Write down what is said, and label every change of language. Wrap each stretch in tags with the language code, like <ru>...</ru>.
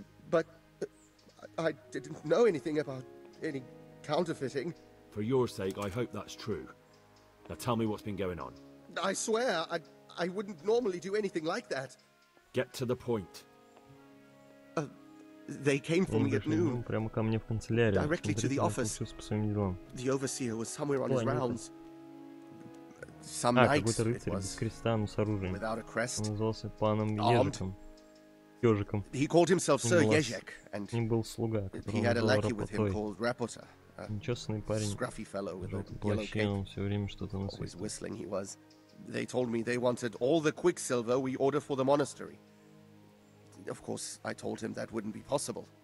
<en>But I didn't know anything about any counterfeiting. For your sake, I hope that's true. Now tell me what's been going on. I swear, I wouldn't normally do anything like that. Get to the point. They came for me at noon.</en> <ru>Прямо ко мне в канцелярию.</ru> <en>Directly to the office. The overseer was somewhere on his rounds. Some</en> <ru>Какой-то рыцарь без креста, но с оружием.</ru> <en>Without a crest.</en> <ru>Он назывался паном Ежиком. Ежиком.</ru> <en>He called himself Sir Ежик, and</en> <ru>he был слуга,</ru> <en>he had a lackey with him called Рапота.</en> <ru>Нечестный парень.</ru> <en>Scruffy fellow with a yellow cape.</en> <ru>Все время что-то носит.</ru> <en>Always whistling he was. They told me they wanted all the quicksilver we order for the monastery. Of course, I told him that wouldn't be possible.</en>